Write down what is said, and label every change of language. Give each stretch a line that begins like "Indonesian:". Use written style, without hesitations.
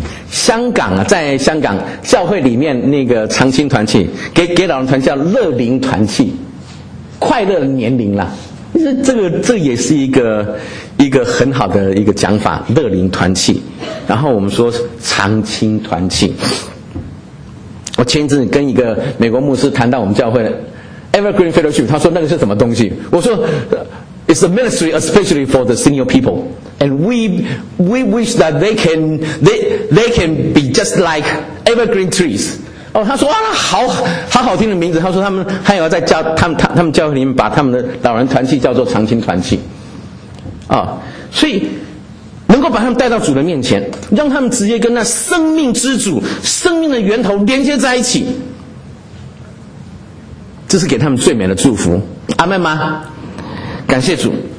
Chinese: 香港啊，在香港教会里面那个长青团契，给老人团叫乐龄团契，快乐的年龄啦。其实这也是一个很好的一个讲法，乐龄团契。然后我们说长青团契。我前一阵跟一个美国牧师谈到我们教会的 Evergreen Fellowship， 他说那个是什么东西？我说
English: It's a ministry especially for the senior people. And we wish that they can be just like evergreen trees.
Chinese: 哦，他说啊，好好听的名字。他说他们要在教他们教会里面把他们的老人团契叫做长青团契。啊、哦，所以能够把他们带到主的面前，让他们直接跟那生命之主、生命的源头连接在一起，这是给他们最美的祝福。阿们吗？感谢主。